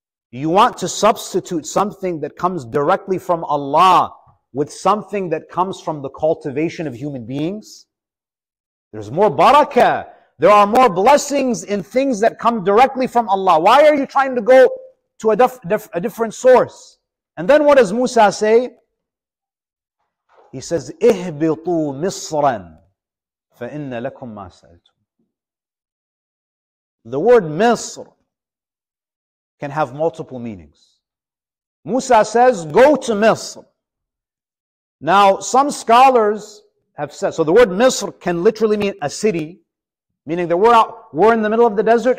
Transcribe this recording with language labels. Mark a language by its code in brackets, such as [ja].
[en] You want to substitute something that comes directly from Allah with something that comes from the cultivation of human beings? There's more barakah. There are more blessings in things that come directly from Allah. Why are you trying to go to a different source? And then what does Musa say? He says, [ar] اِهْبِطُوا مِصْرًا فَإِنَّ لَكُمْ مَا سَأَلْتُمْ. [en] The word مِصْر can have multiple meanings. Musa says, go to مِصْر. Now, some scholars have said, so the word مِصْر can literally mean a city, meaning that we're in the middle of the desert.